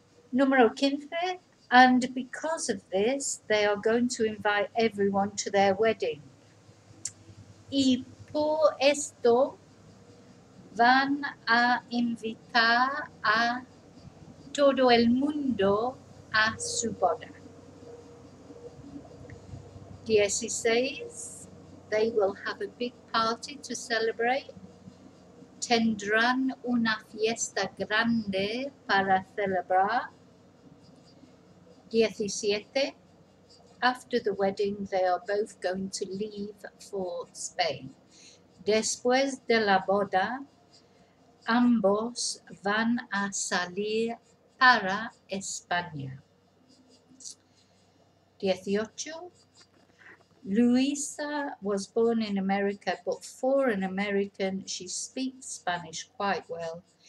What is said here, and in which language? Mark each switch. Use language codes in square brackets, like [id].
[es] Número 15, [en] and because of this, they are going to invite everyone to their wedding. [es] Y por esto, van a invitar a todo el mundo a su boda. [en] 16. They will have a big party to celebrate. [es] Tendrán una fiesta grande para celebrar. [en] 17. After the wedding, they are both going to leave for Spain. [es] Después de la boda, ambos van a salir para España. [en] 18. Luisa was born in America, but for an American, she speaks Spanish quite well.